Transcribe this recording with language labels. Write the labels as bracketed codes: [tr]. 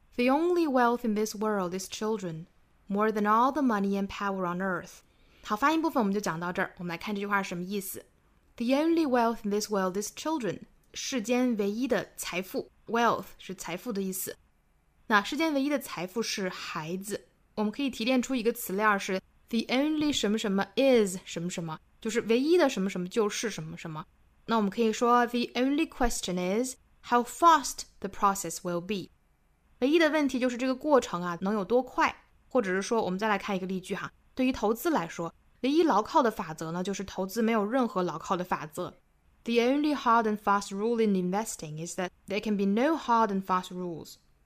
[en] The only wealth in this world is children, more than all the money and power on earth. [zh] 好，发音部分我们就讲到这儿，我们来看这句话是什么意思。 [en] The only wealth in this world is children, [zh] 世间唯一的财富， wealth 是财富的意思。那世间唯一的财富是孩子，我们可以提炼出一个词链，是 The only 什么什么 is 什么什么，就是唯一的什么什么就是什么什么。那我们可以说 [en] The only question is,How fast the process will be. [zh] 唯一的问题就是这个过程啊能有多快，或者是说我们再来看一个例句哈，对于投资来说，唯一牢靠的法则呢就是投资没有任何牢靠的法则。 [en] The only hard and fast rule in investing is that there can be no hard and fast rules.